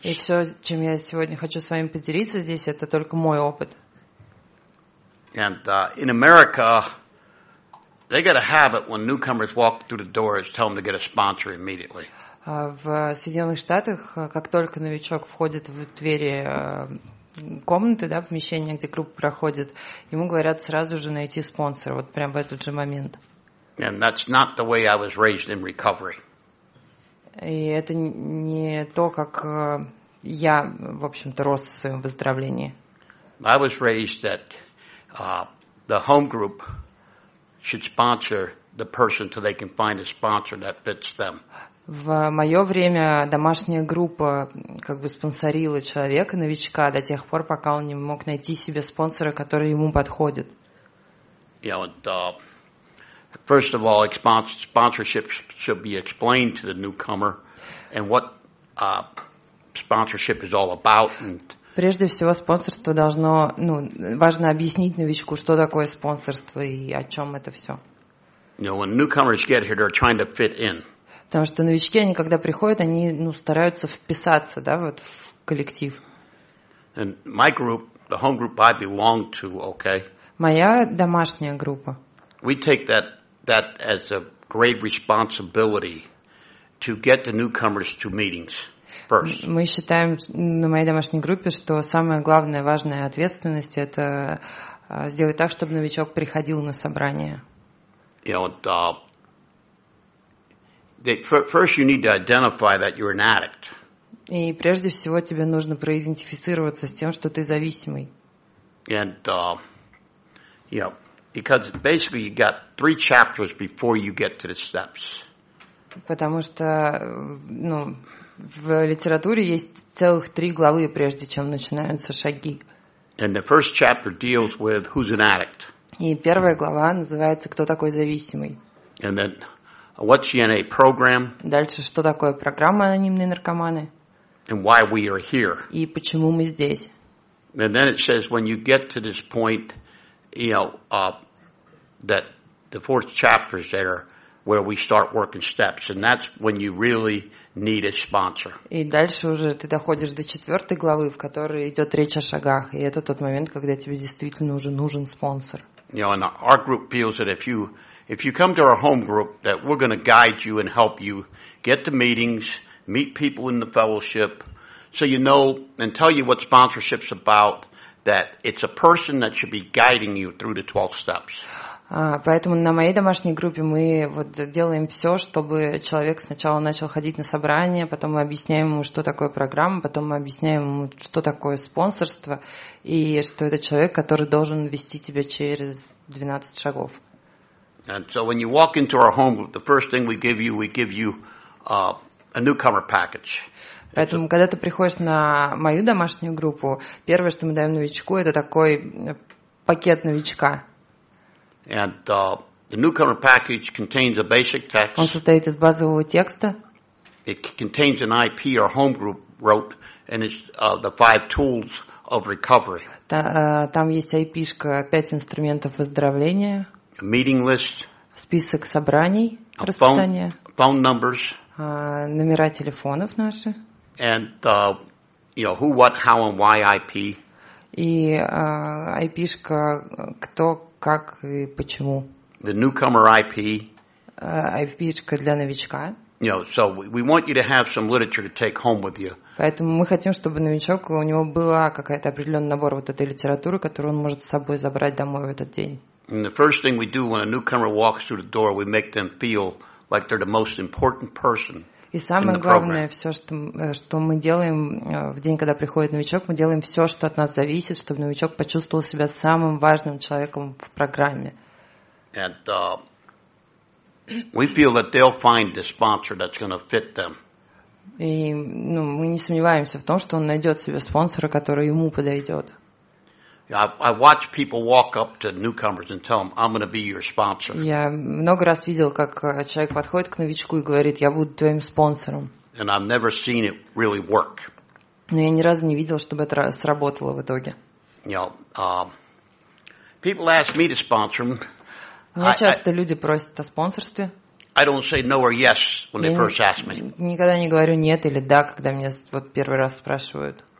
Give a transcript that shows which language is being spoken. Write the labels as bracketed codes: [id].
[ru] И все, чем я сегодня хочу с вами поделиться здесь, это только мой опыт. [en] And in America, they got a habit when newcomers walk through the doors, tell them to get a sponsor immediately. [ru] В Соединенных Штатах, как только новичок входит в двери комнаты, да, помещение, где группа проходит, ему говорят сразу же найти спонсора, вот прямо в этот же момент. [en] And that's not the way I was raised in recovery. [ru] И это не то, как я, в общем-то, рос в своем выздоровлении. [en] I was raised that the home group should sponsor the person till they can find a sponsor that fits them. [ru] В мое время домашняя группа как бы спонсорила человека, новичка, до тех пор, пока он не мог найти себе спонсора, который ему подходит. [en] Yeah, but, first of all, sponsorship should be explained to the newcomer and what sponsorship is all about. And... [ru] Прежде всего, спонсорство должно, ну, важно объяснить новичку, что такое спонсорство и о чем это все. [en] You know, when newcomers get here, they're trying to fit in. [ru] Потому что новички, они когда приходят, они, ну, стараются вписаться, да, вот, в коллектив. [en] And my group, the home group I belong to, okay? [ru] Моя домашняя группа. [en] We take that as a great responsibility to get the newcomers to meetings first. [ru] Мы считаем на моей домашней группе, что самая главная, важная ответственность – это сделать так, чтобы новичок приходил на собрание. [en] You know, first you need to identify that you're an addict. [ru] И прежде всего тебе нужно проидентифицироваться с тем, что ты зависимый. [en] And you know, because basically you got three chapters before you get to the steps. [ru] Потому что, ну, в литературе есть целых три главы, прежде чем начинаются шаги. [en] And the first chapter deals with who's an addict. [ru] И первая глава называется «Кто такой зависимый?». [en] And then what's the NA program? [ru] Дальше, что такое программа «Анонимные наркоманы»? [en] And why we are here. [ru] И почему мы здесь? [en] And then it says when you get to this point, you know, that the fourth chapter is there where we start working steps, and that's when you really need a sponsor. [ru] И дальше уже ты доходишь до четвертой главы, в которой идет речь о шагах, и это тот момент, когда тебе действительно уже нужен спонсор. [en] You know, and our group feels that if you come to our home group, that we're going to guide you and help you get to meetings, meet people in the fellowship, so you know and tell you what sponsorship's about, that it's a person that should be guiding you through the 12 steps. [ru] Поэтому на моей домашней группе мы вот делаем все, чтобы человек сначала начал ходить на собрания, потом мы объясняем ему, что такое программа, потом мы объясняем ему, что такое спонсорство, и что это человек, который должен вести тебя через 12 шагов. [en] And so when you walk into our home, the first thing we give you a newcomer package. [ru] Поэтому, когда ты приходишь на мою домашнюю группу, первое, что мы даем новичку, это такой пакет новичка. [en] And the newcomer package contains a basic text. [ru] Он состоит из базового текста. [en] It contains an IP our home group wrote, and it's the five tools of recovery. [ru] Там есть IP-шка, пять инструментов выздоровления. [en] A meeting list. [ru] Список собраний. Расписание. [en] Phone numbers. [ru] Номера телефонов наши. [en] And you know, who, what, how, and why IP. [ru] И IP-шка, кто, как и почему. [en] The newcomer IP. [ru] IP-шка для новичка. [en] You know, so we want you to have some literature to take home with you. [ru] Поэтому мы хотим, чтобы новичок, у него была какая-то определенный набор вот этой литературы, которую он может с собой забрать домой в этот день. [en] And the first thing we do when a newcomer walks through the door, we make them feel like they're the most important person. [ru] И самое главное, все, что мы делаем в день, когда приходит новичок, мы делаем все, что от нас зависит, чтобы новичок почувствовал себя самым важным человеком в программе. [en] And, we feel that they'll find the sponsor that's gonna fit them. [ru] И ну, мы не сомневаемся в том, что он найдет себе спонсора, который ему подойдет. [en] I watch people walk up to newcomers and tell them, "I'm going to be your sponsor." [ru] Я много раз видел, как человек подходит к новичку и говорит, "Я буду твоим спонсором." [en] And I've never seen it really work. [ru] Но я ни разу не видел, чтобы это сработало в итоге. [en] You know, people ask me to sponsor them. [ru] Мне часто люди просят о спонсорстве. [en] I don't say no or yes when they first ask me. [ru] Никогда не говорю нет или да, когда меня вот первый раз спрашивают.